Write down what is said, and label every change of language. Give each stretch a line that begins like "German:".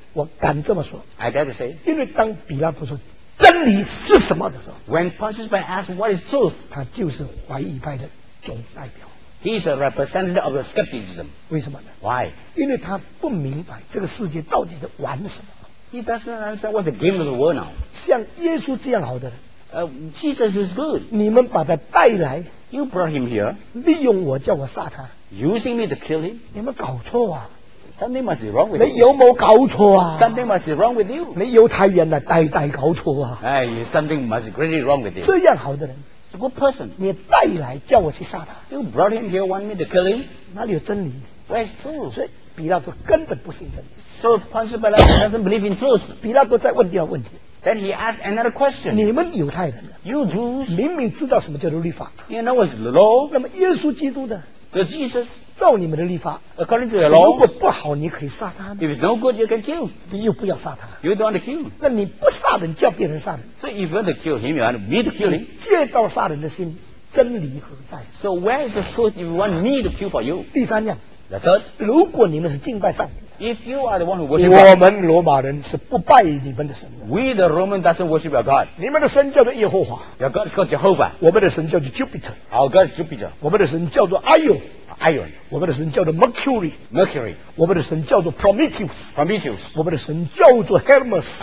Chinese: 我敢这么说
English: I dare to say
Chinese: 因为当比拉多说真理是什么的时候
English: When Pontius Pilate asked what is truth
Chinese: 他就是怀疑派的总代表
English: He is a representative of the skepticism
Chinese: 为什么呢
English: Why
Chinese: 因为他不明白这个世界到底在玩什么
English: He doesn't understand what's the game of the world now
Chinese: 像耶稣这样好的人
English: Jesus is good
Chinese: 你们把他带来
English: You brought him here
Chinese: 利用我叫我杀他
English: Using me to kill him
Chinese: 你们搞错啊
English: Something must be wrong with you.
Chinese: 你有没有搞错啊
English: ？Something must be wrong with you.
Chinese: 你犹太人呐，代代搞错啊！
English: 哎 ，something must be greatly wrong with you.
Chinese: 这样好的人
English: ，a good person，
Chinese: 你带来叫我去杀他。
English: You brought him here, want me to kill him?
Chinese: 哪里有真理
English: ？Where's truth?
Chinese: 所以比拉多根本不信真理。
English: So Pontius Pilate doesn't believe in truth.
Chinese: 比拉多再问第二问题。
English: Then he asked another question.
Chinese: 你们犹太人
English: ，You Jews，
Chinese: 明明知道什么叫做律法
English: ，You know what's the law？
Chinese: 那么耶稣基督的。
English: The Jesus,
Chinese: 照你们的立法
English: according to the law,
Chinese: 如果不好你可以杀他
English: If it's no good, you can kill.
Chinese: 你又不要杀他
English: You don't want to kill.
Chinese: 那你不杀人叫别人杀人
English: So if you want to kill him, you want me to kill him.
Chinese: 借刀杀人的心真理何在
English: So where is the truth if you want me to kill for you?
Chinese: 第三样
English: The third,
Chinese: 如果你们是敬拜上帝
English: If you are the one who worship God,
Chinese: 我们罗马人是不拜你们的神的
English: We the Roman doesn't worship your God.
Chinese: 你们的神叫做耶和华
English: Your God is called Jehovah.
Chinese: 我们的神叫做 Jupiter.
English: Our God is Jupiter.
Chinese: 我们的神叫做 Io.
English: Iron.
Chinese: 我们的神叫做 Mercury.
English: Mercury.
Chinese: 我们的神叫做 Prometheus.
English: Prometheus.
Chinese: 我们的神叫做 Hermes.